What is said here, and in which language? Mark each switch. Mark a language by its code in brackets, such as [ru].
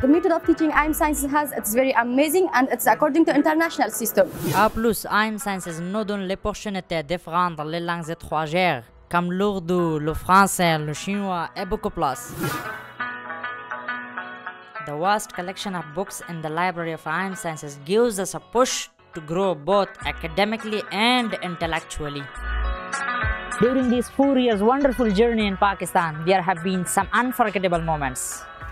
[en] The method of teaching IMSciences has it's very amazing and it's according to international system. [fr] A plus IMSciences nous donne l'opportunité d'apprendre les langues étrangères comme l'ourdou, le français, le chinois et beaucoup plus. [en] The vast collection of books in the library of IMSciences gives us a push to grow both academically and intellectually. During these 4 years' wonderful journey in Pakistan, there have been some unforgettable moments.